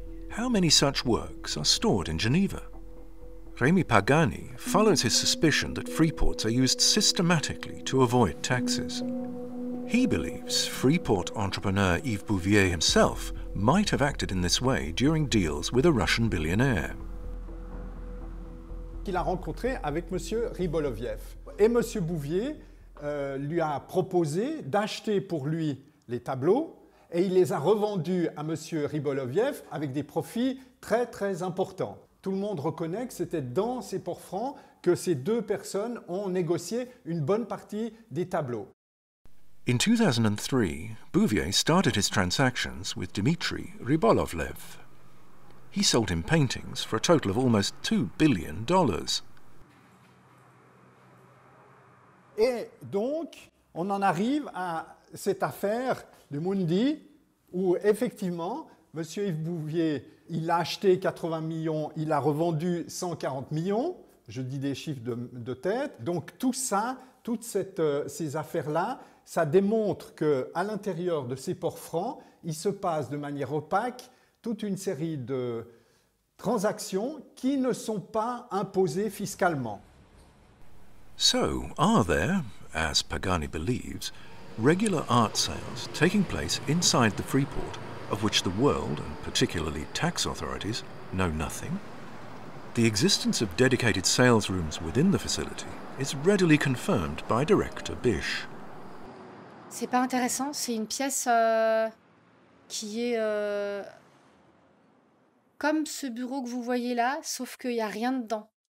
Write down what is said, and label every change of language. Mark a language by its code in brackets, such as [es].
[en] How many such works are stored in Geneva? Remy Pagani follows his suspicion that freeports are used systematically to avoid taxes. He believes freeport entrepreneur Yves Bouvier himself might have acted in this way during deals with a Russian billionaire. [fr] Qu'il a rencontré avec Monsieur Riboloviev et Monsieur Bouvier lui a proposé d'acheter pour lui les tableaux et il les a revendus à Monsieur Riboloviev avec des profits très très importants. Tout le monde reconnaît que c'était dans ces ports francs que ces deux personnes ont négocié une bonne partie des tableaux. [en] In 2003, Bouvier started his transactions with Dmitry Riboloviev. He sold him paintings for a total of almost $2 billion. [fr] Et donc, on en arrive à cette affaire de Mundi où effectivement, Monsieur Yves Bouvier, il a acheté 80 millions, il a revendu 140 millions, je dis des chiffres de tête. Donc tout ça, toutes ces affaires-là, ça démontre qu'à l'intérieur de ces ports francs, il se passe de manière opaque toute une série de transactions qui ne sont pas imposées fiscalement. [en] So, are there, as Pagani believes, regular art sales taking place inside the freeport, of which the world, and particularly tax authorities, know nothing? The existence of dedicated sales rooms within the facility is readily confirmed by Director Bisch. [fr] C'est pas intéressant, c'est une pièce qui est comme ce bureau que vous voyez là, sauf qu'il n'y a rien dedans.